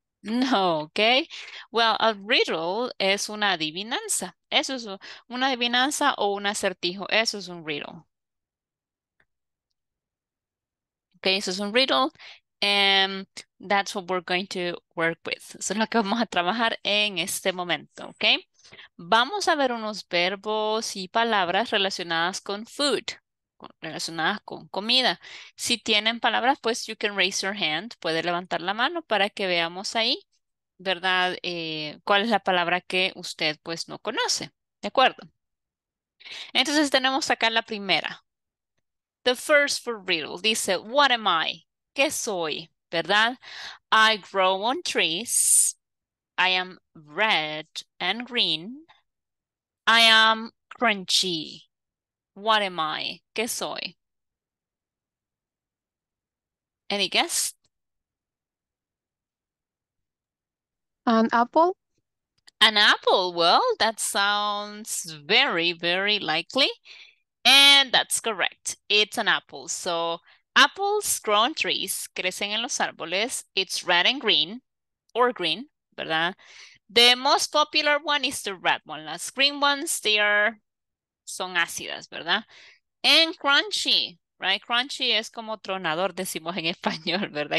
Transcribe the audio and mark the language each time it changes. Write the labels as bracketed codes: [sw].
[en] No, okay. Well, a riddle [es] es una adivinanza. Eso es una adivinanza o un acertijo. Eso es un riddle. Okay, eso es un riddle. [en] And that's what we're going to work with. [es] Eso es lo que vamos a trabajar en este momento, okay? Vamos a ver unos verbos y palabras relacionadas con food, relacionadas con comida. Si tienen palabras, pues [en] you can raise your hand, [es] puede levantar la mano para que veamos ahí, ¿verdad? ¿Cuál es la palabra que usted pues no conoce? ¿De acuerdo? Entonces tenemos acá la primera. [en] The first for riddle [es] dice, [en] what am I? [es] ¿Qué soy? ¿Verdad? [en] I grow on trees. I am red and green. I am crunchy. What am I? [es] ¿Qué soy? [en] Any guess? An apple? An apple. Well, that sounds very, very likely. And that's correct. It's an apple. So apples grow on trees, [es] crecen en los árboles. [en] It's red and green, or green, [es] ¿verdad? [en] The most popular one is the red one. Las green ones, they are [es] son ácidas, ¿verdad? [en] And crunchy, right? [es] Crunchy es como tronador, decimos en español, ¿verdad?